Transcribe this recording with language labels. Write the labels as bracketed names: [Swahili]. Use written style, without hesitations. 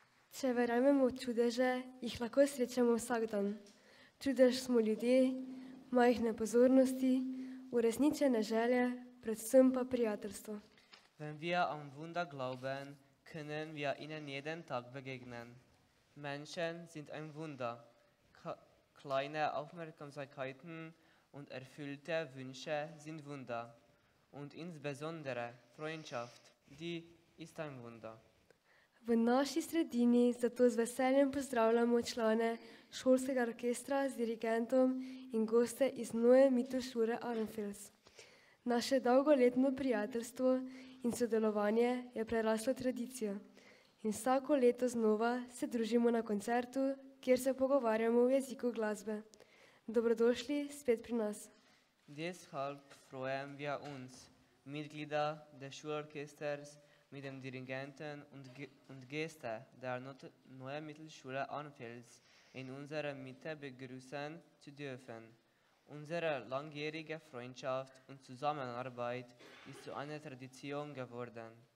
[Slovenian] Če verjamemo v čudeže, jih lahko srečamo vsak dan. Čudež smo ljudje, majhne pozornosti, uresničene želje, predvsem pa prijateljstvo. [German] Wenn wir an Wunder glauben, können wir ihnen jeden Tag begegnen. Menschen sind ein Wunder. Kleine Aufmerksamkeiten und erfüllte Wünsche sind Wunder. Und insbesondere Freundschaft, die ist ein Wunder. [Slovenian] V naši sredini zato z veseljem pozdravljamo člane šolskega orkestra z dirigentom in goste iz Neue Mittelschule Arnfels. Naše dolgoletno prijateljstvo in sodelovanje je preraslo tradicijo in vsako leto znova se družimo na koncertu, kjer se pogovarjamo v jeziku glasbe. Dobrodošli spet pri nas. [German] Deshalb freuen wir uns, Mitglieder des Schulorchesters, mit den Dirigenten und Gästen der Neue Mittelschule Arnfels in unserer Mitte begrüßen zu dürfen. Unsere langjährige Freundschaft und Zusammenarbeit ist zu einer Tradition geworden.